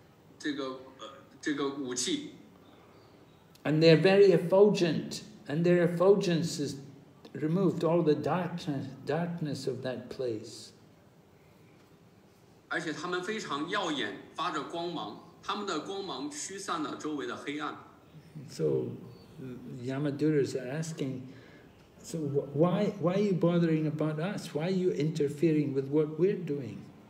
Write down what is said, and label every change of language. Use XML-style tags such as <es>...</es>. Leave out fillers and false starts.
<zh>他们有四只手臂，每只手臂上装饰着这个不同的这个武器。</zh> <en>And they're very effulgent, and their effulgence has removed all the darkness of that place.</en> <zh>而且他们非常耀眼，发着光芒，他们的光芒驱散了周围的黑暗。</zh> <en>So Yamaduras are asking, so why are you bothering about us? Why are you interfering with what we're doing?</en>